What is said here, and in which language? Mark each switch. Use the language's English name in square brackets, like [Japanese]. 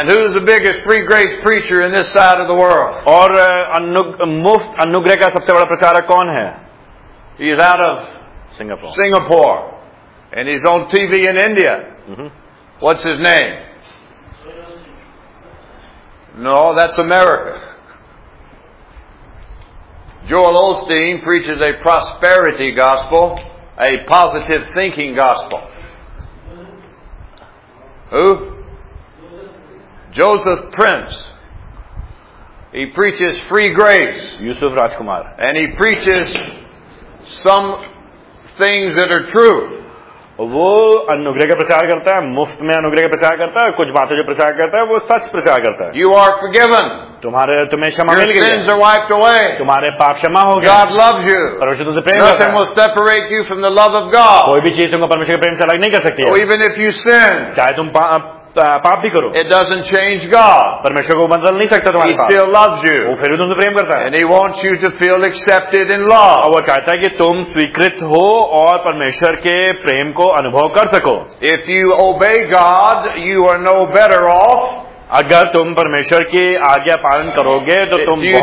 [English] And who is the biggest free grace preacher in this side of the world? [Hindi] और मुफ्त अनुग्रह का सबसे बड़ा प्रचारक कौन है? [English] He is out of Singapore. And he's on TV in India. Mm-hmm. What's his name? No, that's America. Joel Osteen preaches a prosperity gospel, a positive thinking gospel. Who? Joseph Prince. He preaches free grace. Yusuf Rajkumar. And he preaches some things that are true. [Hindi] वो अनुग्रह का प्रचार करता है, मुफ्त में अनुग्रह का प्रचार करता है, कुछ बातें जो प्रचार करता है वो सच प्रचार करता है. [English] You are forgiven. [Hindi] तुम्हारे तुम्हें क्षमा मिल गई. [English] Your sins are wiped away. [Hindi] तुम्हारे पाप क्षमा हो गए. [English] God loves you. [Hindi] परमेश्वर तुझसे प्रेम करता है. [English] Nothing will separate you from the love of God. [Hindi] कोई भी चीज तुमको परमेश्वर के प्रेम से अलग नहीं कर सकती. [English] Or even if you sin. [Hindi] चाहे तुम पाप भी करो. [English] It doesn't change God. [Hindi] परमेश्वर को बदल नहीं सकता तुम्हारा पाप. [English] He still loves you. [Hindi] वो फिर भी तुमसे प्रेम करता है. [English] And he wants you to feel accepted in love. [Hindi] वो चाहता है कि तुम स्वीकृत हो और परमेश्वर के प्रेम को अनुभव कर सको. [English] If you obey God, you are no better off. [Hindi] अगर तुम परमेश्वर की आज्ञा पालन करोगे तो तुम